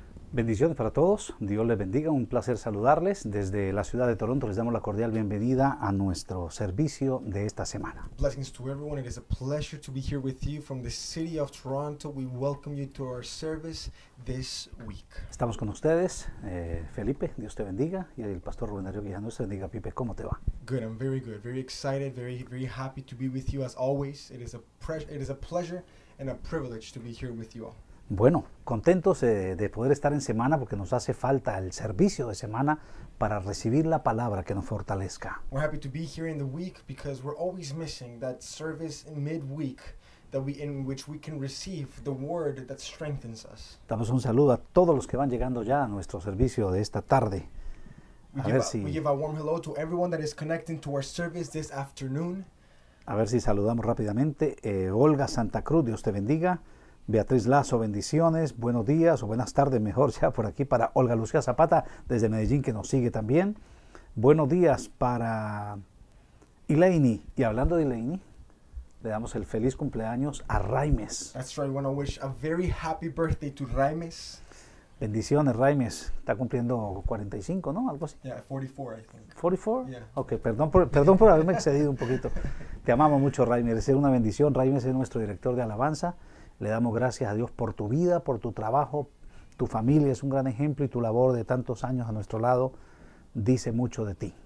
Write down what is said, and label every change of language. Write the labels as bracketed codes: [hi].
[es] Bendiciones para todos, Dios les bendiga, un placer saludarles. Desde la ciudad de Toronto les damos la cordial bienvenida a nuestro servicio de esta semana. [en] Blessings to everyone, it is a pleasure to be here with you from the city of Toronto. We welcome you to our service this week. [es] Estamos con ustedes, Felipe, Dios te bendiga, y el pastor Rubén Darío Guijano, Dios te bendiga, Pipe, ¿cómo te va? [en] Good, I'm very good, very excited, very, very happy to be with you as always. It is a pleasure and a privilege to be here with you all. [es] Bueno, contentos de poder estar en semana porque nos hace falta el servicio de semana para recibir la palabra que nos fortalezca. [en] We're happy to be here in the week because we're always missing that service in midweek that we in which we can receive the word that strengthens us. [es] Damos un saludo a todos los que van llegando ya a nuestro servicio de esta tarde. [en] We give a warm hello to everyone that is connecting to our service this afternoon. [es] A ver si saludamos rápidamente. Olga Santa Cruz, Dios te bendiga. Beatriz Lazo, bendiciones, buenos días o buenas tardes, mejor ya por aquí para Olga Lucía Zapata desde Medellín que nos sigue también. Buenos días para Elaine, y hablando de Elaine, le damos el feliz cumpleaños a Raimes. [en] That's right, I want to wish a very happy birthday to Raimes. [es] Bendiciones, Raimes, está cumpliendo 45, ¿no? Algo así. [en] Yeah, 44, I think. 44? Yeah. [es] Ok, perdón por haberme excedido un poquito. Te amamos mucho, Raimes, es una bendición. Raimes es nuestro director de alabanza. Le damos gracias a Dios por tu vida, por tu trabajo. Tu familia es un gran ejemplo y tu labor de tantos años a nuestro lado dice mucho de ti.